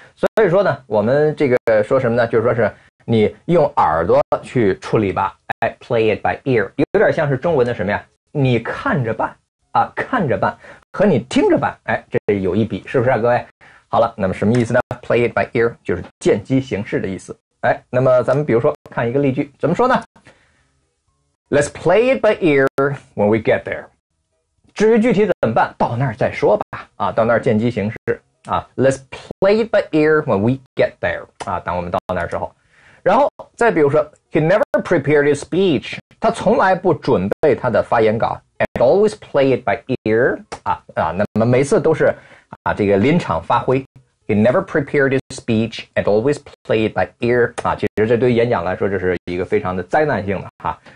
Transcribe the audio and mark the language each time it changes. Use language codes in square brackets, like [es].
[zh] 所以说呢，我们这个说什么呢？就是说是你用耳朵去处理吧，哎 ， [en] play it by ear， [zh] 有点像是中文的什么呀？你看着办啊，看着办和你听着办，哎，这有一比，是不是啊，各位？好了，那么什么意思呢 ？ [en] Play it by ear [zh] 就是见机行事的意思。哎，那么咱们比如说看一个例句，怎么说呢？ [en] Let's play it by ear when we get there. [zh] 至于具体怎么办，到那儿再说吧。啊，到那儿见机行事。 [en] 啊 ，Let's play it by ear when we get there. [zh] 啊，当我们到那儿之后，然后再比如说 ， [en] He never prepared his speech. [zh] 他从来不准备他的发言稿。 [en] And always play it by ear. [zh] 啊，那么每次都是啊这个临场发挥。 [en] He never prepared his speech and always play it by ear. [zh] 啊，其实这对演讲来说，这是一个非常的灾难性的哈。